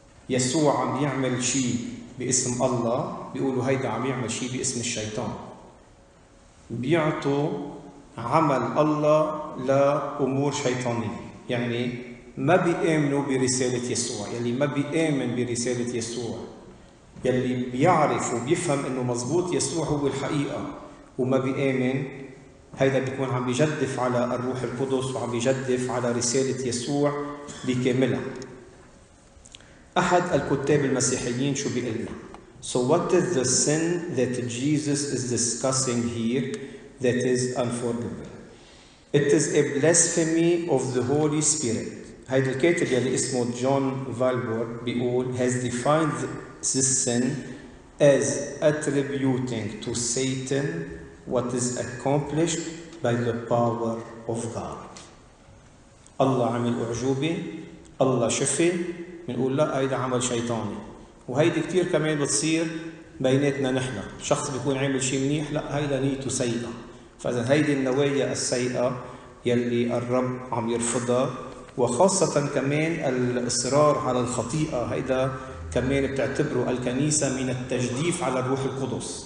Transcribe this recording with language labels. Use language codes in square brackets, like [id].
[ar] يسوع عم يعمل شيء باسم الله، بيقولوا هيدا عم يعمل شيء باسم الشيطان، بيعطوا عمل الله لأمور شيطانية، يعني ما بيؤمنوا برسالة يسوع، يلي ما بيؤمن برسالة يسوع، يلي بيعرف وبيفهم إنه مزبوط يسوع هو الحقيقة وما بيؤمن، هيدا بيكون عم بيجدف على الروح القدس وعم بيجدف على رسالة يسوع بكاملها. أحد الكتاب المسيحيين شو بيقلنا؟ [en] So what is the sin that Jesus is discussing here that is unforgivable? It is a blasphemy of the Holy Spirit. [ar] هيدا الكاتب يلي اسمه جون فالبورغ بيقول [en] has defined this sin as attributing to Satan what is accomplished by the power of God. [ar] الله عمل أعجوبة، الله شفى، بنقول لا هيدا عمل شيطاني. وهيدي كتير كمان بتصير بيناتنا نحن، شخص بيكون عمل شيء منيح، لا هيدا نيته سيئة. فإذا هيدي النوايا السيئة يلي الرب عم يرفضها، وخاصة كمان الإصرار على الخطيئة، هيدا كمان بتعتبره الكنيسة من التجديف على الروح القدس.